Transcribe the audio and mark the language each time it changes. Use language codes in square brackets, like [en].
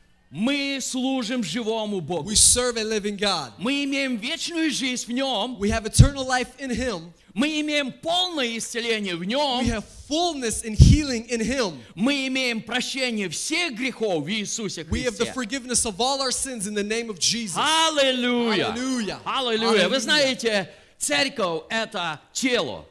[ru] Мы служим живому Богу. [en] We serve a living God. [ru] Мы имеем вечную жизнь в Нем. [en] We have eternal life in Him. [ru] Мы имеем полное исцеление в Нем. [en] We have fullness and healing in Him. [ru] Мы имеем прощение всех грехов в Иисусе Христе. [en] We have the forgiveness of all our sins in the name of Jesus. Hallelujah. Hallelujah. Hallelujah. [ru] Вы знаете, церковь — это тело.